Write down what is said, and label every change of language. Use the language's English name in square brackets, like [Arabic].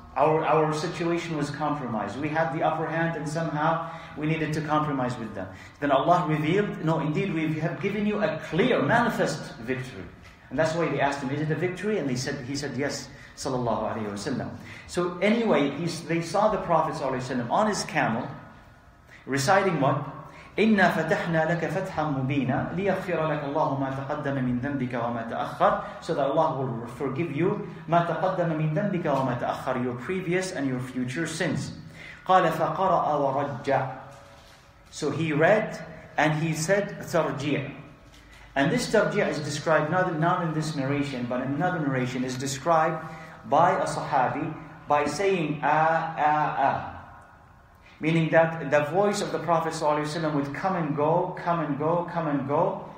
[English] Our situation was compromised. We had the upper hand and somehow we needed to compromise with them. Then Allah revealed, no, indeed we have given you a clear, manifest victory. And that's why they asked him, is it a victory? And he said, yes. Sallallahu alayhi wa sallam. So anyway, they saw the Prophet sallallahu alayhi wa sallam on his camel, reciting what? [Arabic] إِنَّا فَتَحْنَا لَكَ فَتْحًا مُبِينًا لِيَغْفِرَ لَكَ اللَّهُ مَا تَقَدَّمَ مِنْ ذَنْبِكَ وَمَا تَأَخَّرَ, [English] so that Allah will forgive you [Arabic] مَا تَقَدَّمَ مِنْ ذَنْبِكَ وَمَا تَأَخَّرَ, [English] your previous and your future sins. [Arabic] قَالَ فَقَرَأَ وَرَجَّعَ, [English] so he read and he said تَرْجِعَ. And this tarji' is described not in this narration, but in another narration is described by a sahabi by saying ah, meaning that the voice of the Prophet ﷺ would come and go, come and go, come and go.